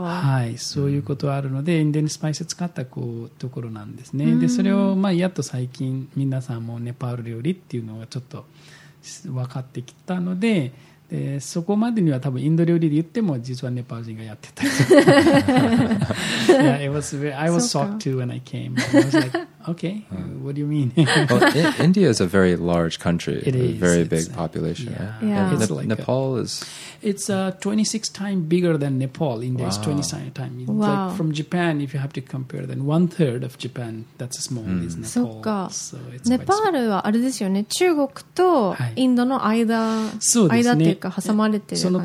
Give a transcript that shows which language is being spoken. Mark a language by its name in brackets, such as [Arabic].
[Japanese] はい、そういうことあるのでインディアンスパイス使ったこうところなんですね、うん、でそれを、まあ、やっと最近皆さんもネパール料理っていうのがちょっと分かってきたの でそこまでには多分インド料理で言っても実はネパール人がやってた。 [English] Yeah, it was very, I was shocked too when I came. I was like, okay, what do you mean? Well, India is a very large country. It is. A very big population. Yeah. It's like Nepal is... It's 26 times bigger than Nepal. India is 26 times. Wow. Like from Japan, if you have to compare, then one third of Japan, that's small, is Nepal. [Japanese] そっか。ネパールはあれですよね。中国とインドの間、そうですね。間っていうか挟まれてる感じです